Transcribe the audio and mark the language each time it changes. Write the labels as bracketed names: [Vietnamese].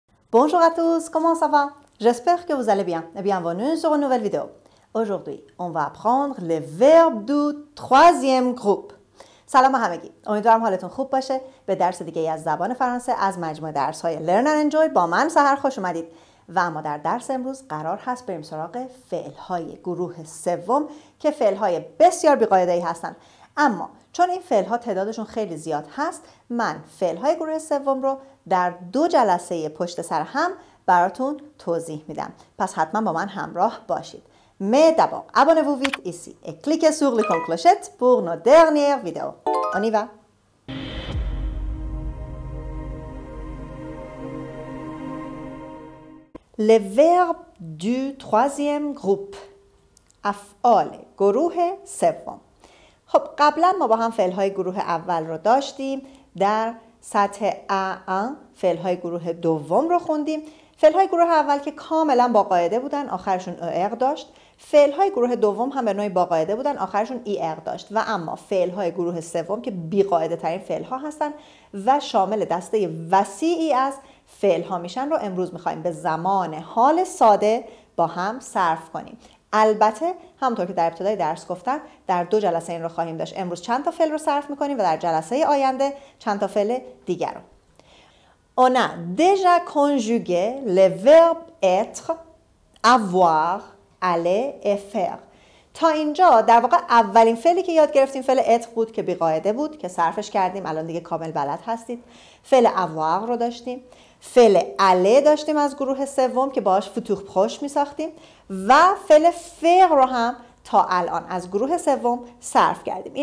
[French] Bonjour à tous, comment ça va? J'espère que vous allez bien et bienvenue sur une nouvelle vidéo. Aujourd'hui, on va apprendre les verbes du troisième groupe. [Persian] سلام همگی. امیدوارم حالتون خوب باشه. به درس دیگه از زبان فرانسه از مجموعه درس‌های Learn and Enjoy با من سحر خوش اومدید. و اما در درس امروز قرار هست بریم سراغ فعل‌های گروه سوم که فعل‌های بسیار بی‌قاعده‌ای هستن. اما چون این فعل‌ها تعدادشون خیلی زیاد هست، من فعل‌های گروه سوم رو در دو جلسه پشت سر هم براتون توضیح میدم. پس حتما با من همراه باشید. [French] Mais d'abord, abonnez-vous vite ici et cliquez sur l'icône clochette pour nos dernières vidéos. On y va. Les verbes du troisième groupe. [Persian] افعال گروه سوم. خب قبلا ما با هم فعل‌های گروه اول رو داشتیم. در سطح A1 فعل‌های گروه دوم رو خوندیم. فعل‌های گروه اول که کاملا با قاعده بودن آخرشون ا داشت. فعل‌های گروه دوم هم به نوعی با قاعده بودن آخرشون ای ار داشت. و اما فعل‌های گروه سوم که بی قاعده ترین فعل‌ها هستن و شامل دسته وسیعی از فعل‌ها میشن رو امروز می‌خوایم به زمان حال ساده با هم صرف کنیم. البته همونطور که در ابتدای درس گفتم در دو جلسه این رو خواهیم داشت. امروز چند تا فعل رو صرف می‌کنیم و در جلسه آینده چند تا فعل دیگر رو. [French] On a déjà conjugué le verbe être, avoir, aller et faire. [Persian] تا اینجا در واقع اولین فعلی که یاد گرفتیم فعل اتر بود که بی قاعده بود که صرفش کردیم، الان دیگه کامل بلد هستید. فعل avoir رو داشتیم، فعل aller داشتیم از گروه سوم که باهاش فتوخ پخش می ساختیم و فعل faire رو هم تا الان از گروه سوم صرف کردیم.